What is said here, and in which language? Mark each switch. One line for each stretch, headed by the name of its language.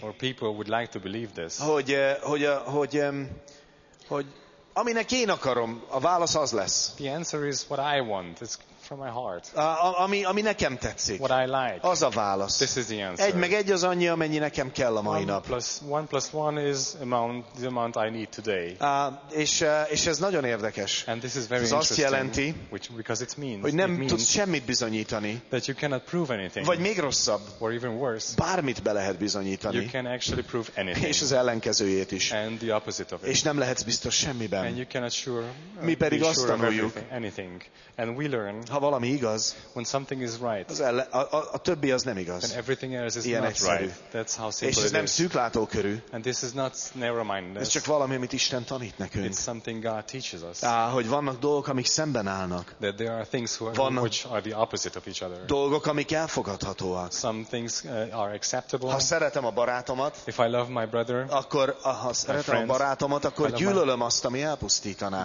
English: or people would like to believe this,
Hungarian: hogy aminek én akarom, a válasz az lesz.
English: The answer is what I want. It's from my heart.
Hungarian: Ami nekem tetszik.
English: What I like.
Hungarian: Az a válasz.
English: This is the answer.
Hungarian: Egy meg egy az annyi, amennyi nekem kell a mai nap.
English: One plus one is the amount I need today.
Hungarian: És ez nagyon érdekes.
English: And this is very
Hungarian: ez azt jelenti,
English: because it means,
Hungarian: hogy nem tudsz semmit bizonyítani.
English: That you cannot prove anything.
Hungarian: Vagy még rosszabb.
English: Or even worse.
Hungarian: Bármit be lehet bizonyítani.
English: You can actually prove anything.
Hungarian: És az ellenkezőjét is.
English: And the opposite of it.
Hungarian: És nem lehetsz biztos semmiben.
English: And you cannot sure,
Hungarian: mi pedig
English: be
Hungarian: azt
English: sure
Hungarian: tanuljuk.
English: Anything. And we learn,
Hungarian: ha valami igaz,
English: when something is right,
Hungarian: a többi az nem igaz.
English: And everything else is
Hungarian: ilyen
English: not
Hungarian: egyszerű.
English: Right. That's how simple
Hungarian: és ez
English: it
Hungarian: nem szűklátókörű.
English: And this is not narrow-mindedness.
Hungarian: Ez csak valami, amit Isten tanít nekünk.
English: It's something God teaches us.
Hungarian: Hogy vannak dolgok, amik szemben állnak.
English: That there are things which are the opposite of each other.
Hungarian: Dolgok, amik elfogadhatóak.
English: Some things are acceptable.
Hungarian: Ha szeretem a barátomat,
English: if I love my brother,
Hungarian: akkor ha szeretem
English: friend,
Hungarian: a barátomat, akkor gyűlölöm azt, ami elpusztítaná.